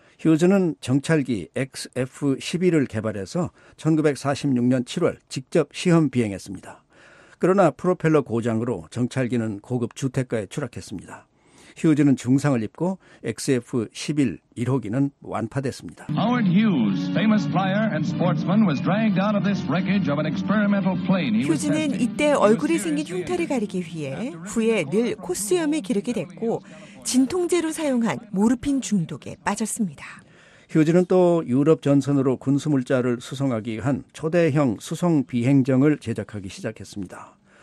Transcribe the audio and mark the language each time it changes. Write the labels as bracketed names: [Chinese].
[Korean] 휴즈는 정찰기 XF-11을 개발해서 1946년 7월 직접 시험 비행했습니다. 그러나 프로펠러 고장으로 정찰기는 고급 주택가에 추락했습니다. 휴즈는 중상을 입고 XF-11 1호기는 완파됐습니다. [English] Howard Hughes, famous flyer and sportsman, was dragged out of this wreckage of an experimental plane. [Korean] 휴즈는 이때 얼굴이 생긴 흉터를 가리기 위해 후에 늘 코수염을 기르게 됐고 진통제로 사용한 모르핀 중독에 빠졌습니다. 휴즈는 또 유럽 전선으로 군수물자를 수송하기 위한 초대형 수송비행정을 제작하기 시작했습니다.